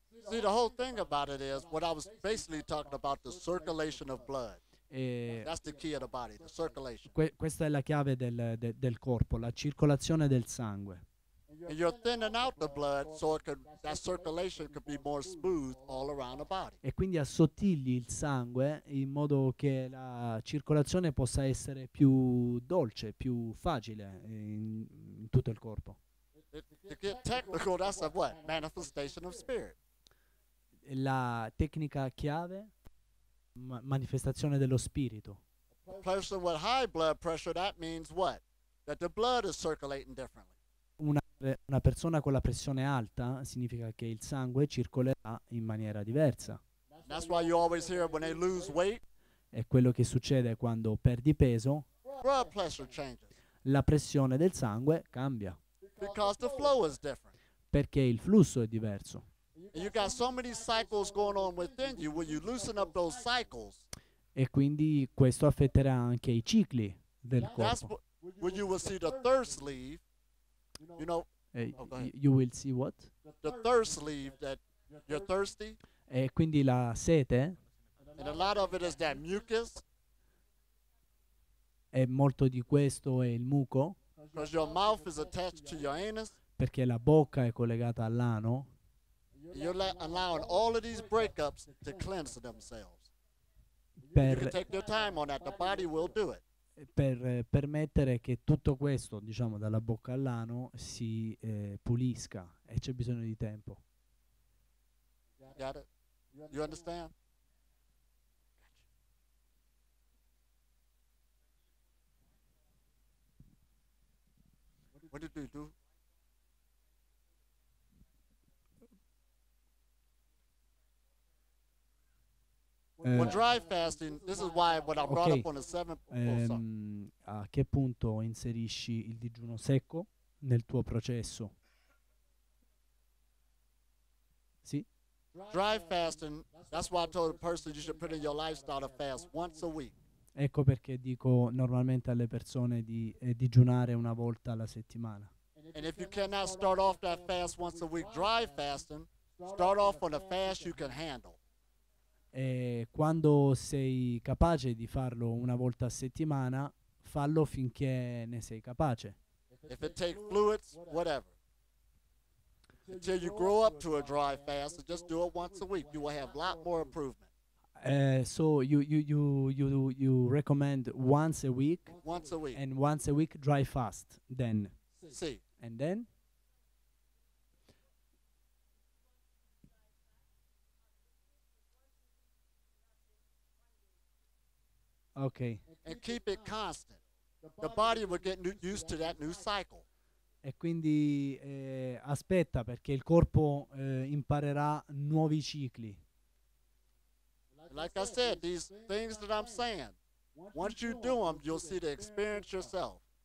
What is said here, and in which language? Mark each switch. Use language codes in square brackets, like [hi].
[en] See, the whole thing about it is what I was basically talking about, the circulation of blood. That's the key of the body, the circulation. [it] Questa è la chiave del corpo, la circolazione del sangue. [en] And you're thinning out the blood so it could, that circulation could be more smooth all around the body. [it] E quindi assottigli il sangue in modo che la circolazione possa essere più dolce, più facile in tutto il corpo. [en] To get technical, that's a what? Manifestation of spirit. [it] La tecnica chiave, manifestazione dello spirito. [en] A person with high blood pressure, that means what? That the blood is circulating differently. [it] Una persona con la pressione alta significa che il sangue circolerà in maniera diversa. [en] That's why you always hear when they lose weight. [it] È quello che succede quando perdi peso. [en] Blood pressure changes. [it] La pressione del sangue cambia. [en] Because the flow is different. [it] Perché il flusso è diverso. [en] And you got so many cycles going on within you when you loosen up those cycles. [it] E quindi questo affetterà anche i cicli del corpo. [en] That's when you will see the thirst leave. You know, you will see what? The thirst leave, that you're thirsty. [it] E quindi la sete. [en] And a lot of it is that mucus. [it] E molto di questo è il muco. [en] Because your mouth is attached to your anus. [it] Perché la bocca è collegata all'ano. [en] You're allowing all of these breakups to cleanse themselves. You can take your time on that. The body will do it. [it] Per permettere che tutto questo, diciamo, dalla bocca all'ano si pulisca, e c'è bisogno di tempo. [en] Got it. You understand? What did they do? Well, dry fasting, this is why what I brought up on the seventh. [it] A che punto inserisci il digiuno secco nel tuo processo? Sì? [en] Dry fasting, that's why I told a person you should put in your lifestyle a fast once a week. [it] Ecco perché dico normalmente alle persone di digiunare una volta alla settimana. [en] And if you cannot start off that fast once a week dry fasting, start off on a fast you can handle. [it] E quando sei capace di farlo una volta a settimana, fallo finché ne sei capace. [en] If it takes fluids, whatever. Until you grow up to a dry fast, just do it once a week. You will have a lot more improvement. So you recommend once a week. Once a week. And once a week dry fast. Then. See. And then. Okay. And keep it constant. The body will get used to that new cycle. [it] E quindi aspetta perché il corpo imparerà nuovi cicli. [en] Like I said, these things that I'm saying, once you do them, you'll see the experience yourself.